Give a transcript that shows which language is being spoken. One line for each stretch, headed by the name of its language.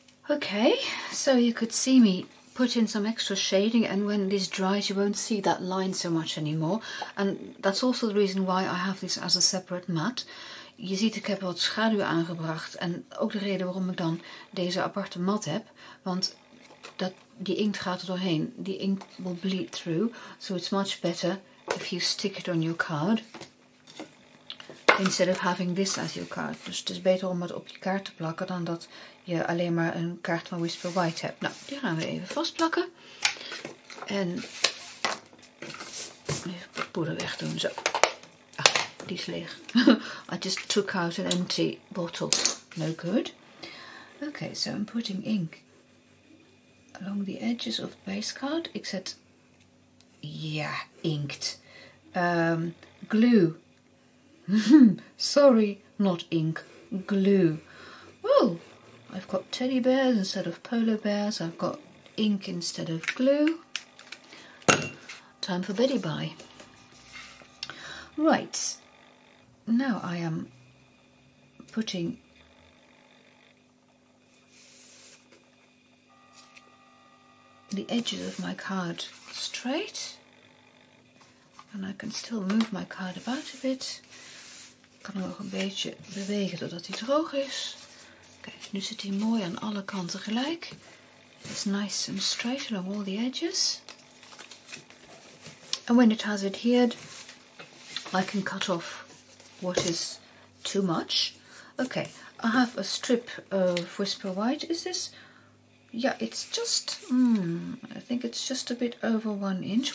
English: Okay, so you could see me put in some extra shading, and when this dries you won't see that line so much anymore. And that's also the reason why I have this as a separate mat.
Dutch: je ziet, ik heb wat schaduw aangebracht. En ook de reden waarom ik dan deze aparte mat heb. Want dat, die inkt gaat er doorheen. Die inkt
English: will bleed through. So it's much better if you stick it on your card. Instead of having this as your card.
Dutch: Dus het is beter om het op je kaart te plakken dan dat je alleen maar een kaart van Whisper White hebt. Nou, die gaan we even vastplakken. En even het poeder wegdoen, zo. Ah, die is leeg.
English: I just took out an empty bottle. No good. Okay, so I'm putting ink along the edges of the base card.
Dutch: Ik zet, ja, inkt. Glue.
English: Sorry, not ink, glue. Oh, I've got teddy bears instead of polar bears. I've got ink instead of glue. Time for Betty Bye. Right, now I am putting the edges of my card straight. And I can still move my card about a bit.
Dutch: Ik kan hem nog een beetje bewegen doordat hij droog is. Kijk, nu zit hij mooi aan alle kanten gelijk.
English: It's nice and straight along all the edges. And when it has adhered, I can cut off what is too much. Okay, I have a strip of Whisper White. Is this? Yeah, it's just, I think it's just a bit over 1 inch.